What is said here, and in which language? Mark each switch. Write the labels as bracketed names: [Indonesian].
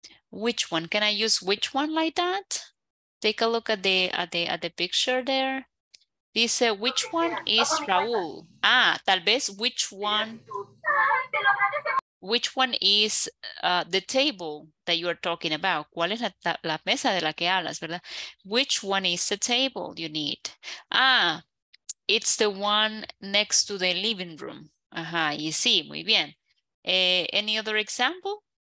[English] Which one? Can I use which one like that? Take a look at the picture there. Dice, which one is Raúl? Ah, [Spanish] tal vez [English] which one? Which one is the table that you are talking about? [Spanish] ¿Cuál es la mesa de la que hablas, verdad? [English] Which one is the table you need? Ah, it's the one next to the living room. [Spanish] Ajá, y sí, muy bien. [English] Any other example?